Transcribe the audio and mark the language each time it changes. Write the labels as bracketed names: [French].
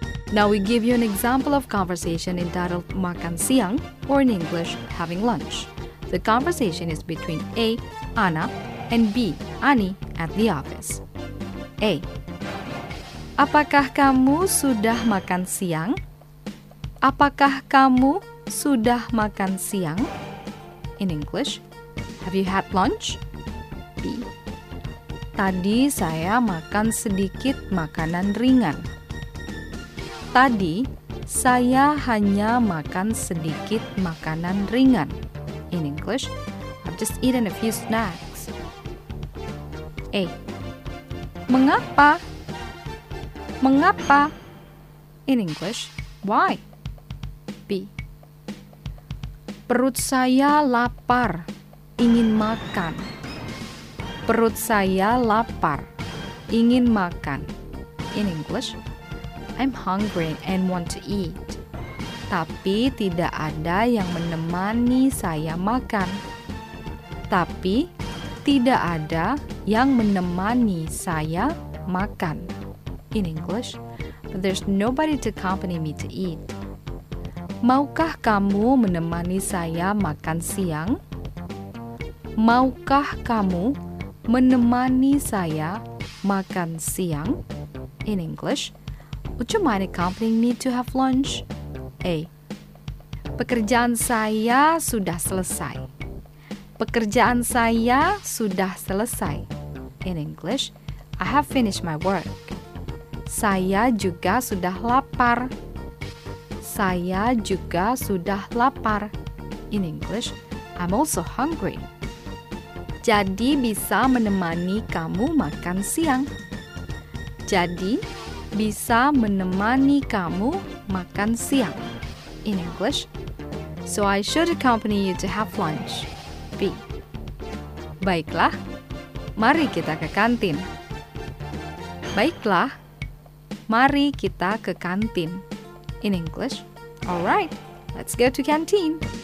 [English] Now we give you an example of conversation entitled Makan Siang, or in English, Having Lunch. The conversation is between A, Ana, and B, Ani, at the office. A. [Indonesian] Apakah kamu sudah makan siang? Apakah kamu sudah makan siang? [English] In English, have you had lunch? [Indonesian] B. Tadi saya makan sedikit makanan ringan. Tadi, saya hanya makan sedikit makanan ringan. [English] In English, I've just eaten a few snacks. [Indonesian] A. Mengapa? Mengapa? [English] In English, why? B. [Indonesian] Perut saya lapar, ingin makan. Perut saya lapar, ingin makan. [English] In English, I'm hungry and want to eat. [Indonesian] Tapi tidak ada yang menemani saya makan. Tapi tidak ada yang menemani saya makan. [English] In English, there's nobody to accompany me to eat. [Indonesian] Maukah kamu menemani saya makan siang? Maukah kamu menemani saya makan siang? [English] In English, would you mind accompanying me to have lunch? A. [Indonesian] Pekerjaan saya sudah selesai. Pekerjaan saya sudah selesai. [English] In English, I have finished my work. [Indonesian] Saya juga sudah lapar. Saya juga sudah lapar. [English] In English, I'm also hungry. [Indonesian] Jadi bisa menemani kamu makan siang. Jadi bisa menemani kamu makan siang. [English] In English, so I should accompany you to have lunch. B. [Indonesian] Baiklah, mari kita ke kantin. Baiklah, mari kita ke kantin. [English] In English, alright, let's go to canteen.